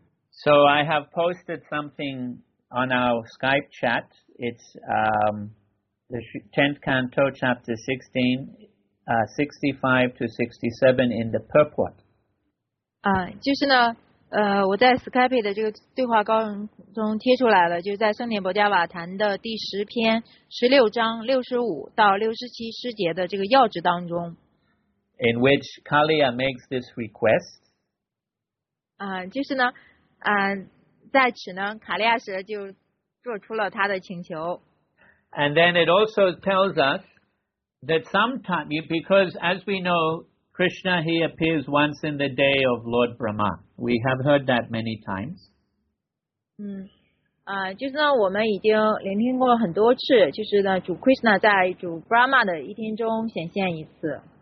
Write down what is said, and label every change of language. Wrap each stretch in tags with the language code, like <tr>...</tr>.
<en>So I have posted something on our Skype chat. It's the 10th canto, chapter 16, 65 to 67 in the purport.</en> <zh>就是呢，我在 Skype 的这个对话稿中贴出来了，就是在圣莲博迦瓦坛的第十篇16章65到67诗节的这个要旨当中。</zh> <en>In which Kaliya makes this request.</en> <zh>就是呢，在此呢，卡利亚蛇就做出了他的请求。</zh> <en>And then it also tells us that sometimes, because as we know, Krishna, he appears once in the day of Lord Brahma. We have heard that many times.</en> <zh>就是呢，我们已经聆听过很多次，就是呢，主 Krishna 在主 Brahma 的一天中显现一次。</zh>